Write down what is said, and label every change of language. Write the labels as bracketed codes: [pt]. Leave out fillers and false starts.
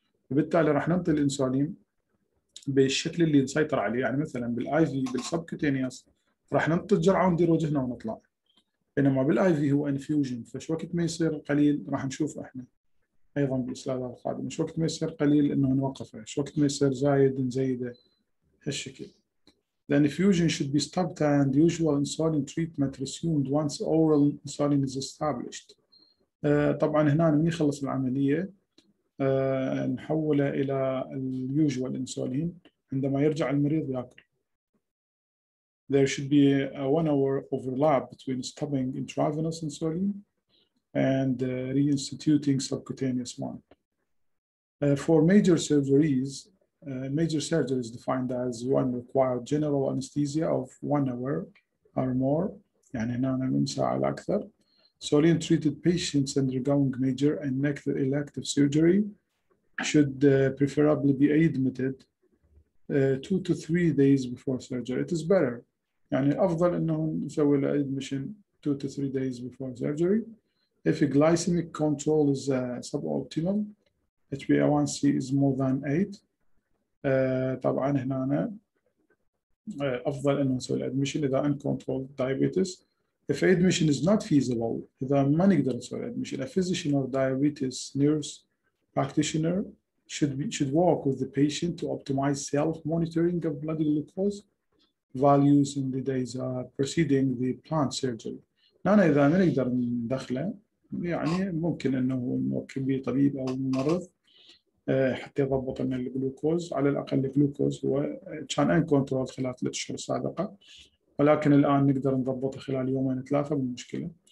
[ar] وبالتالي راح ننطي الانسولين بالشكل اللي نسيطر عليه، يعني مثلا بالاي في بالسبكوتينيوس راح ننطي الجرعه وندير وجهنا ونطلع. بينما بالاي في هو انفيوجن، فش وقت ما يصير قليل راح نشوف احنا. ايضا بالسلايدات القادمه، شو وقت ما يصير قليل انه نوقفه، شو وقت ما يصير زايد نزيده هالشكل. [en] The infusion should be stopped and usual insulin treatment resumed once oral insulin is established. [ar] طبعا هنا من يخلص العمليه نحوله الى اليوجوال انسولين عندما يرجع المريض ياكل. [en] There should be a 1 hour overlap between stopping intravenous insulin and reinstituting subcutaneous one. For major surgeries, major surgery is defined as one required general anesthesia of 1 hour or more, [ar] يعني هنا من ساعة لأكثر. [en] Solely treated patients undergoing major and neck elective surgery should preferably be admitted 2 to 3 days before surgery. It is better. [ar] يعني أفضل أنه نسوي [en] admission 2 to 3 days before surgery. If glycemic control is suboptimal, HbA1c is more than 8. [ar] طبعا هنا افضل انه نسوي الادمشن اذا [en] uncontrolled diabetes. If admission is not feasible, [ar] اذا ما نقدر نسوي الادمشن, [en] a physician or diabetes nurse practitioner should work with the patient to optimize self monitoring of blood glucose values in the days preceding the planned surgery. [ar] نانا اذا ما نقدر ندخله يعني ممكن انه نوكل به طبيب او ممرض حتى يضبط لنا الجلوكوز على الاقل الجلوكوز هو كان ان كنترول خلال 3 اشهر سابقه ولكن الان نقدر نضبطه خلال يومين ثلاثه مو مشكله.